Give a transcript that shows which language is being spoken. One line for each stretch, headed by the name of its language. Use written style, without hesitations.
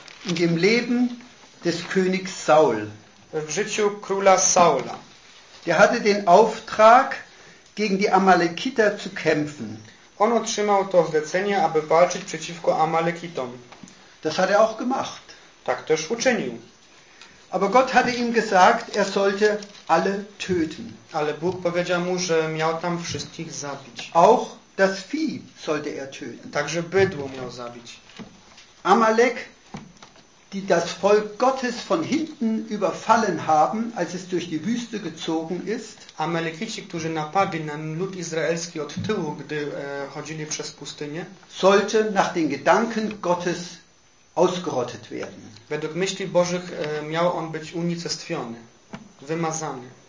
German: In dem Leben des Königs Saul.
Polish: W życiu króla Saula.
German: Der hatte den Auftrag, gegen die Amalekiter zu kämpfen.
Polish: On otrzymał to zlecenie, aby walczyć przeciwko Amalekitom.
German: Das hat er auch gemacht.
Polish: Tak też uczynił.
German: Aber Gott hatte ihm gesagt, er sollte alle töten.
Polish: Ale Bóg powiedział mu, że miał tam wszystkich zabić.
German: Auch das Vieh sollte er töten.
Polish: Także bydło miał zabić.
German: Amalek, die das Volk Gottes von hinten überfallen haben, als es durch die Wüste gezogen ist.
Polish: Amalekici, którzy napadli na lud izraelski od tyłu, gdy chodzili przez pustynię.
German: Sollte nach den Gedanken Gottes ausgerottet werden.
Polish: Według myśli Bożych miał on być unicestwiony, wymazany.